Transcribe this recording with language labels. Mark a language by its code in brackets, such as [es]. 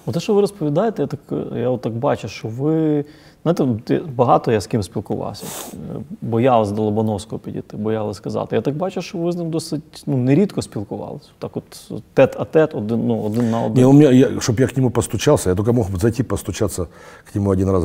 [ru] Вот то, что вы розповідаєте, я вот так бачу, что вы. [uk] Знаєте, багато я з ким спілкувався. Боялась до Лобановського підійти, боялась сказати. Я так бачу, що ви з ним досить, ну, нерідко спілкувалися. Так от тет-а-тет, один на один. Не, у мене, щоб я к нему постучався, я тільки мог зайти постучатися к нему один раз.